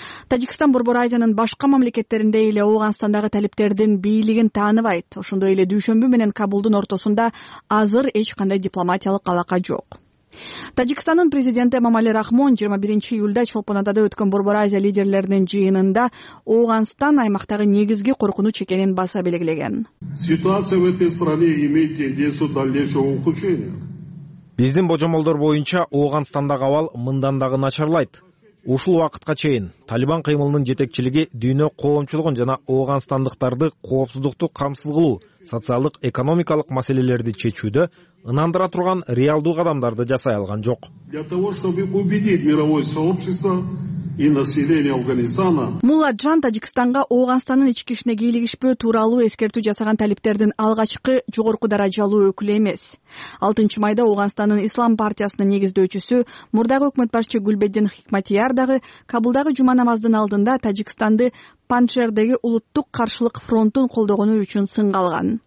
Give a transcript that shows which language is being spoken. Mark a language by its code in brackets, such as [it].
[ky] Тажикстан Борбор Азиянын башка мамлекеттеринде эле Оогандандагы талиптердин бийлигин тааныбайт. Ошондой эле дүйшөмбү менен Кабулдун ортосунда азыр эч кандай дипломатиялык алака жок. Тажикстандын президенти Мамали Рахмон 21 июлда Чолпон Атада өткөн Борбор Азия лидерлеринин жыйынында Оогандан аймактагы негизги коркунуч экенин баса белгилеген. [ru] Ситуация в этой стране имеет тенденцию дальнейшего ухудшения. [ky] Биздин божомолдор боюнча Оогандандагы абал мындан дагы начарлайт. Ушул убакытка чейин Талибан кыймылынын жетекчилиги дүйнө коомчулугун жана оогандандыктарды коопсуздукту камсыз кылуу, социалдык, экономикалык маселелерди чечүүдө ынандыра турган реалдуу кадамдарды жасай алган жок. [ru] Для того, чтобы убедить мировое сообщество и население Афганистана. [ky] Муладжан Тажикстанга Оогандандын ички ишине кийлигишпөө тууралуу эскертүү жасаган талиптердин алгачкы жогорку даражалуу өкүлү эмес. 6-майда Оогандандын Ислам партиясынын негиздөөчүсү, мурдагы өкмөт башчы Гүлбедин Хикматияр дагы Кабулдагы жума намаздын алдында Тажикстанды Панжердеги улуттук каршылык фронтун колдогону үчүн сынга алган.